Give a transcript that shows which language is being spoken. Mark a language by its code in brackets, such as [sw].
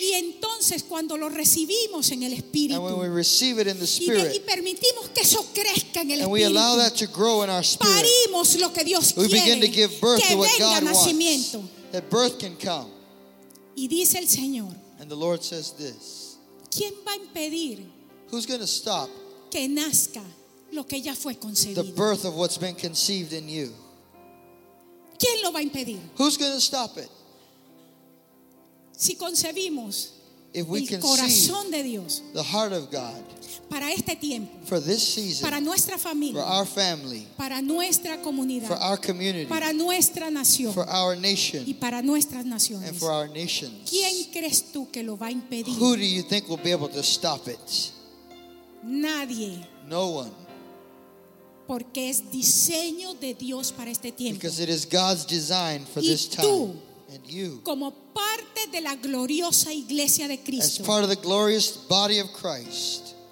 [es] Y entonces, cuando lo recibimos en el espíritu, [en] and when we receive it in the spirit [es] y permitimos que eso crezca en el [en] and we allow that to grow in our spirit, [es] lo que Dios [en] we begin to give birth to what God [es] nacimiento. [en] Wants. That birth can come. [es] Y dice el Señor, [en] and the Lord says this, [es] ¿quién va a impedir? [en] Who's going to stop [es] que nazca lo que ya fue concebido? [en] The birth of what's been conceived in you? [es] ¿Quién lo va a impedir? [en] Who's going to stop it? [es] Si concebimos [en] if we [es] el corazón de Dios [en] the heart of God [es] para este tiempo, [en] for this season, [es] para nuestra familia, [en] for our family, [es] para nuestra comunidad, [en] for our community, [es] para nuestra nación, [en] for our nation, [es] y para nuestras naciones, [en] and for our nations. [es] ¿Quién crees tú que lo va a impedir? [en] Who do you think will be able to stop it? [es] Nadie. [en] No one. [es] Porque es diseño de Dios para este tiempo. [en] Because it is God's design for [es] y [en] this time. And you. [es] Como parte de la gloriosa iglesia de Cristo. [en] As part of the glorious body of Christ.